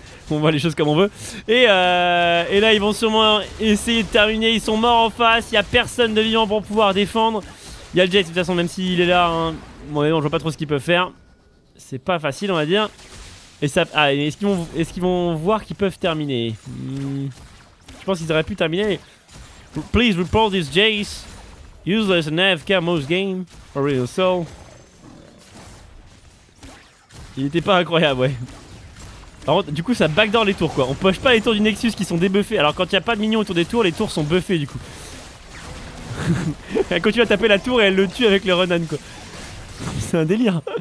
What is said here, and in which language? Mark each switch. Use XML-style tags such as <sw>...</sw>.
<fr>On voit les choses comme on veut. Et là, ils vont sûrement essayer de terminer. Ils sont morts en face. Il n'y a personne de vivant pour pouvoir défendre. Il y a le Jace, de toute façon, même s'il est là. Hein. Bon, je vois pas trop ce qu'ils peuvent faire. C'est pas facile, on va dire. Et ça, est-ce qu'ils vont voir qu'ils peuvent terminer? Je pense qu'ils auraient pu terminer.</fr> <en>Please report this Jace. Useless and AFK most game. For real soul.</en> <fr>Il n'était pas incroyable, ouais. Par contre, du coup, ça backdoor les tours quoi. On poche pas les tours du Nexus qui sont débuffés. Alors, quand il n'y a pas de minions autour des tours, les tours sont buffés du coup. Elle continue à taper la tour et elle le tue avec le Renan quoi. C'est un délire.</fr>